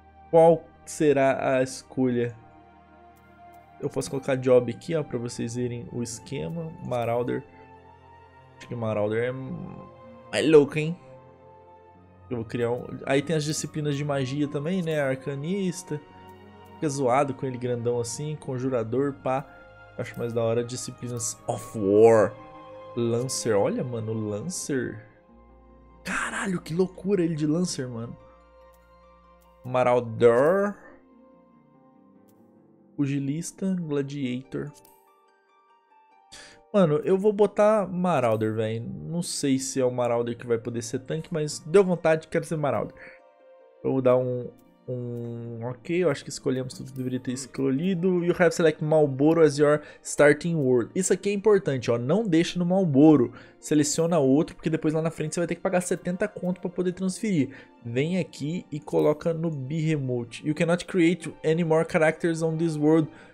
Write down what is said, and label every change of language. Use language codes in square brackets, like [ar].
[pt] Qual será a escolha? Eu posso colocar Job aqui, ó, pra vocês verem o esquema. Marauder. Acho que Marauder é. É louco, hein? Eu vou criar um. Aí tem as disciplinas de magia também, né? Arcanista. fica zoado com ele grandão assim, conjurador, pá. Acho mais da hora, disciplinas of war. Lancer, olha, mano, Lancer. Caralho, que loucura ele de Lancer, mano. Marauder. Pugilista, Gladiator. Mano, eu vou botar Marauder, velho. Não sei se é o Marauder que vai poder ser tanque, mas deu vontade, quero ser Marauder. Vamos dar um ok, eu acho que escolhemos tudo que deveria ter escolhido. [en] You have select Marlboro as your starting word. [pt] Isso aqui é importante, ó. Não deixa no Marlboro. Seleciona outro, porque depois lá na frente você vai ter que pagar 70 conto para poder transferir. Vem aqui e coloca no Behemoth. [en] You cannot create any more characters on this world.